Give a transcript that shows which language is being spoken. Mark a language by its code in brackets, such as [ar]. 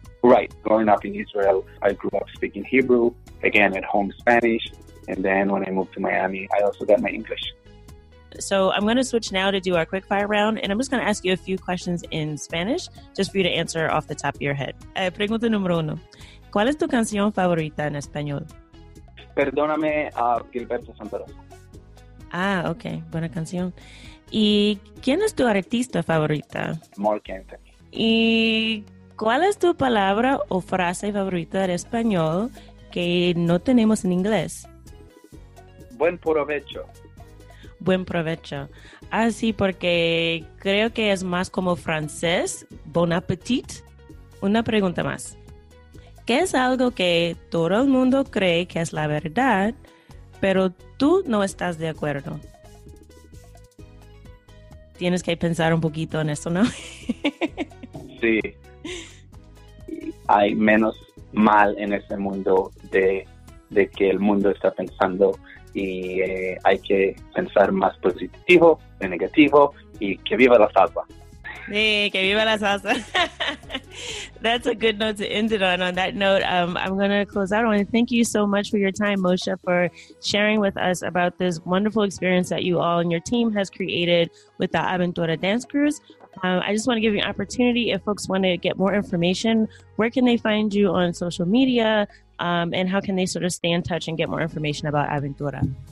[en] Right. Growing up in Israel, I grew up speaking Hebrew. Again, at home, Spanish. And then when I moved to Miami, I also got my English. So I'm going to switch now to do our quick fire round. And I'm just going to ask you a few questions in Spanish, just for you to answer off the top of your head. [es] Pregunta número uno. ¿Cuál es tu canción favorita en español? Perdóname a Gilberto Santoro. Ah, ok. Buena canción. ¿Y quién es tu artista favorita? Mark Anthony. ¿Y cuál es tu palabra o frase favorita en español que no tenemos en inglés? Buen provecho. Buen provecho. Ah, sí, porque creo que es más como francés. [fr] Bon appétit. [es] Una pregunta más. ¿Qué es algo que todo el mundo cree que es la verdad, pero tú no estás de acuerdo? Tienes que pensar un poquito en eso, ¿no? Sí. Hay menos mal en ese mundo de que el mundo está pensando y hay que pensar más positivo que negativo y que viva la salsa. Sí, que viva la salsa. [en] That's a good note to end it on. On that note, I'm going to close out. I want to thank you so much for your time, Moshe, for sharing with us about this wonderful experience that you all and your team has created with the Aventura Dance Cruise. I just want to give you an opportunity, if folks want to get more information, where can they find you on social media, and how can they sort of stay in touch and get more information about Aventura?